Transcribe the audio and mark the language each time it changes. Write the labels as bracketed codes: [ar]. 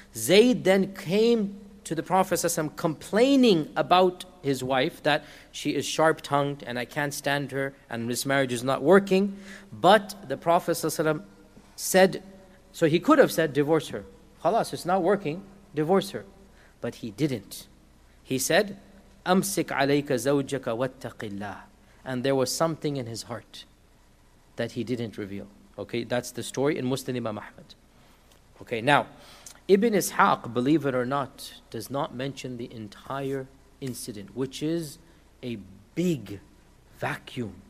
[en] Zayd then came to the Prophet ﷺ complaining about his wife, that she is sharp-tongued and I can't stand her and this marriage is not working. But the Prophet ﷺ said, so he could have said, divorce her. خلاص, it's not working, divorce her. But he didn't. He said, [ar] أمسك عليك زوجك واتق الله. [en] And there was something in his heart that he didn't reveal. Okay, that's the story in Muslim Imam Ahmad. Okay, now, Ibn Ishaq, believe it or not, does not mention the entire incident, which is a big vacuum.